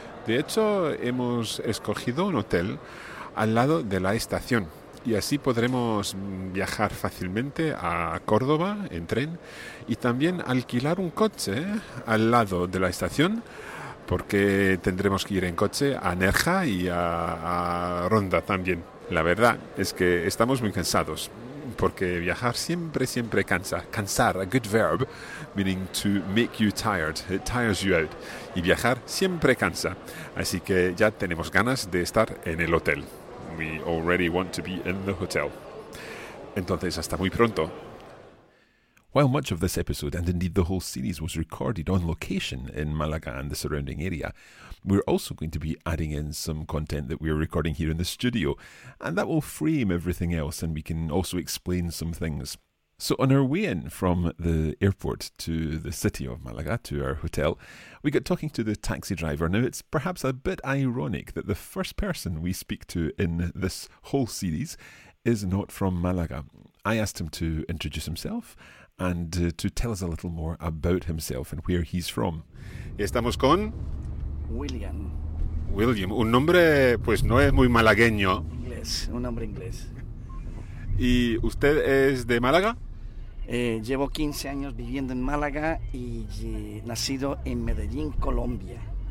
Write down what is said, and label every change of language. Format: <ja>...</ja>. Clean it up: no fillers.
<es>De hecho, hemos escogido un hotel al lado de la estación y así podremos viajar fácilmente a Córdoba en tren y también alquilar un coche al lado de la estación, porque tendremos que ir en coche a Nerja y a Ronda también. La verdad es que estamos muy cansados, porque viajar siempre, siempre cansa.</es> <en>Cansar, a good verb, meaning to make you tired, it tires you out.</en> <es>Y viajar siempre cansa. Así que ya tenemos ganas de estar en el hotel.</es> <en>We already want to be in the hotel.</en> <es>Entonces, hasta muy pronto.</es> <en>While much of this episode, and indeed the whole series, was recorded on location in Malaga and the surrounding area, we're also going to be adding in some content that we're recording here in the studio, and that will frame everything else, and we can also explain some things. So on our way in from the airport to the city of Malaga, to our hotel, we got talking to the taxi driver. Now, it's perhaps a bit ironic that the first person we speak to in this whole series is not from Malaga. I asked him to introduce himself and to tell us a little more about himself and where he's from.</en> <es>Estamos con... William. William, un nombre pues no es muy malagueño. Inglés, un nombre inglés. ¿Y usted es de Málaga? Llevo 15 años viviendo en Málaga y nacido en Medellín, Colombia.</es>